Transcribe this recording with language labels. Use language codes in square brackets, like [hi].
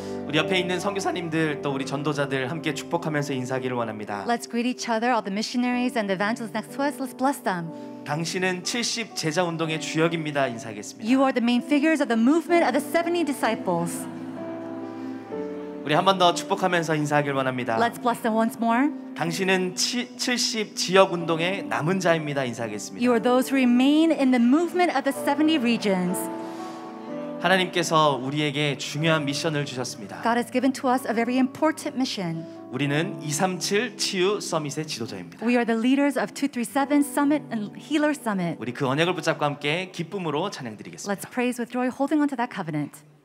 [ko] 우리 옆에 있는 선교사님들 또 우리 전도자들 함께 축복하면서 인사하기를 원합니다. [en] Let's greet each other, all the missionaries and the evangelists next to us. Let's bless them. [ko] 당신은 70 제자 운동의 주역입니다. 인사하겠습니다. [en] You are the main figures of the movement of the 70 disciples. [ko] 우리 한 번 더 축복하면서 인사하길 원합니다. [en] Let's bless them once more. [ko] 당신은 70 지역 운동의 남은 자입니다. 인사하겠습니다. [en] You are those who remain in the movement of the 70 regions. [ko] 하나님께서 우리에게 중요한 미션을 주셨습니다. [en] God has given to us a very important mission. [ko] 우리는 237 치유 서밋의 지도자입니다. [en] We are the leaders of 237 Summit and Healer Summit. [ko] 우리 그 언약을 붙잡고 함께 기쁨으로 찬양드리겠습니다. [en] Let's praise with joy, holding onto that covenant.